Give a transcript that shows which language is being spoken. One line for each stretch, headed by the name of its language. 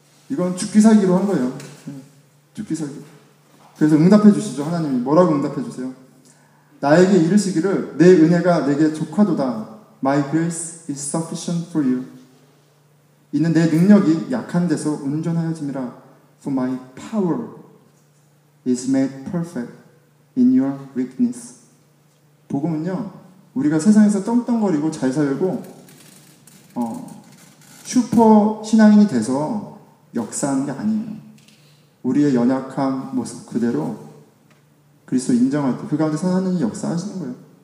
Korean: 이건 죽기 살기로 한 거예요. 죽기 살기. 그래서 응답해 주시죠. 하나님이 뭐라고 응답해 주세요? 나에게 이르시기를 내 은혜가 내게 족하도다.
English: My grace is sufficient for you.
Korean: 이는 내 능력이 약한 데서 온전하여짐이라.
English: For my power is made perfect in your weakness.
Korean: 복음은요, 우리가 세상에서 떵떵거리고 잘 살고 슈퍼 신앙인이 돼서 역사하는 게 아니에요. 우리의 연약한 모습 그대로 그리스도 인정할 때 그 가운데 하나님이 역사하시는 거예요.